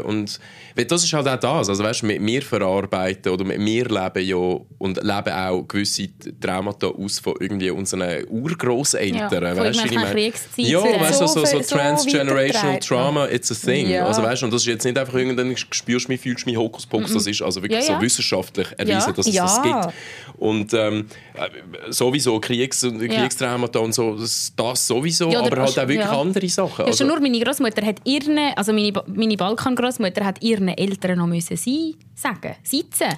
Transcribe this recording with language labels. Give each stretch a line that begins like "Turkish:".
German: Und das ist halt auch das. Also, weißt, mit mir verarbeiten oder mit mir leben ja und leben auch gewisse Traumata aus von irgendwie unseren Urgroßeltern. Ja, weißt,
English: so transgenerational so trauma, it's a thing.
German: Ja. Also, weißt, und das ist jetzt nicht einfach irgendein spürst du mich, fühlst du mich, Hokuspokus. Das ist also wirklich so wissenschaftlich erwiesen, dass es das gibt. Und sowieso Kriegstraumata und so, das sowieso, aber halt auch wirklich andere Sachen. Ja, schon nur meine Grossmutter hat ihre, also meine Balkan-Grossmutter hat ihren Eltern noch müssen sein, sagen, sitzen.